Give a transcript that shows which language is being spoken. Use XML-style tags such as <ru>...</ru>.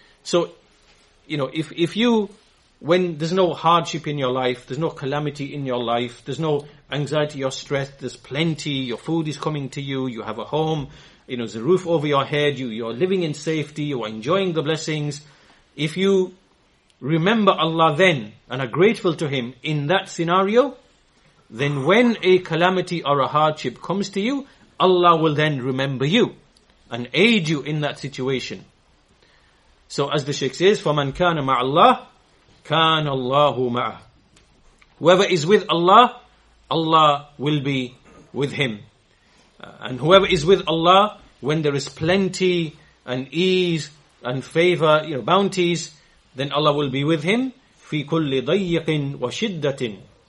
<en>So, you know, if you, when there's no hardship in your life, there's no calamity in your life, there's no anxiety or stress, there's plenty, your food is coming to you, you have a home, you know, there's a roof over your head, you're living in safety, you are enjoying the blessings. If you remember Allah then and are grateful to Him in that scenario, then when a calamity or a hardship comes to you, Allah will then remember you and aid you in that situation. So as the Shaykh says,</en> <ar>فَمَنْ كَانَ مَعَ اللَّهِ كَانَ اللَّهُ مَعَهُ.</ar> <en>Whoever is with Allah, Allah will be with him. And whoever is with Allah, when there is plenty and ease and favor, you know, bounties, then Allah will be with him.</en> <ar>فِي كُلِّ ضَيِّقٍ وَشِدَّةٍ.</ar>